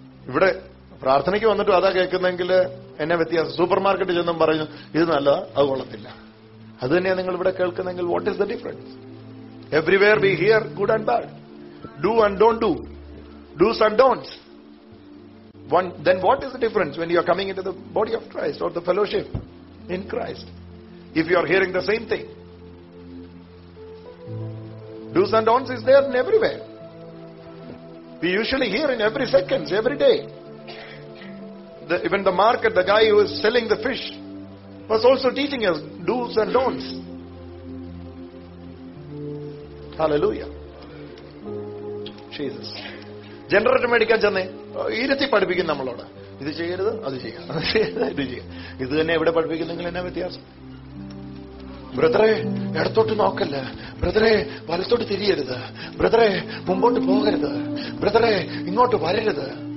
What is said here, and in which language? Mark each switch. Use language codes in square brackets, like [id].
[ml] ഇവിടെ പ്രാർത്ഥനയ്ക്ക് വന്നിട്ട് അതാ കേൾക്കുന്നെങ്കിൽ എന്നെ വ്യത്യാസം. സൂപ്പർ മാർക്കറ്റ് ചെന്നും പറഞ്ഞു ഇത് നല്ലതാ, അത് കൊള്ളത്തില്ല. അത് തന്നെയാ നിങ്ങൾ ഇവിടെ കേൾക്കുന്നെങ്കിൽ [en] What is the difference? Everywhere we hear good and bad, do and don't do, do's and don'ts. One, then what is the difference when you are coming into the body of Christ or the fellowship in Christ if you are hearing the same thing? Do's and don'ts is there in everywhere. We usually hear in every seconds, every day. Even the market, the guy who is selling the fish was also teaching us do's and don'ts. [ml] Jesus generator മേടിക്കാൻ ചെന്നേ ഇരുത്തി പഠിപ്പിക്കും നമ്മളോട്, ഇത് ചെയ്യരുത് അത് ചെയ്യാം ഇത് ചെയ്യാം. ഇത് തന്നെ എവിടെ പഠിപ്പിക്കുന്ന നിങ്ങൾ എന്നാ വ്യത്യാസം? ബ്രദറെ ഇടത്തോട്ട് നോക്കല്ല, ബ്രദറെ വലത്തോട്ട് തിരിയരുത്, ബ്രദറെ മുമ്പോട്ട് പോകരുത്, ബ്രദറെ ഇങ്ങോട്ട് വരരുത്.